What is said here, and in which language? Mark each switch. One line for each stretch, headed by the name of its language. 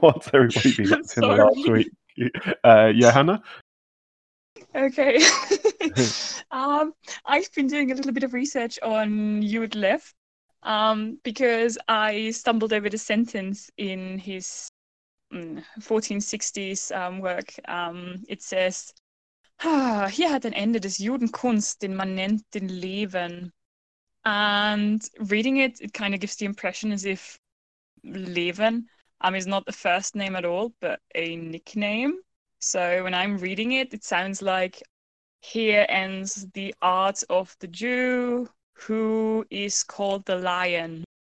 English: What's everybody been up to in the last week? Johanna? Okay. I've been doing a little bit of research on You Would Live. Because I stumbled over the sentence in his 1460s work. It says,
German: hier hat ein Ende des Judenkunst, den man nennt den Leben.
English: And reading it, it kind of gives the impression as if Leben is not the first name at all, but a nickname. So when I'm reading it, it sounds like here ends the art of the Jew, who is called the Lion.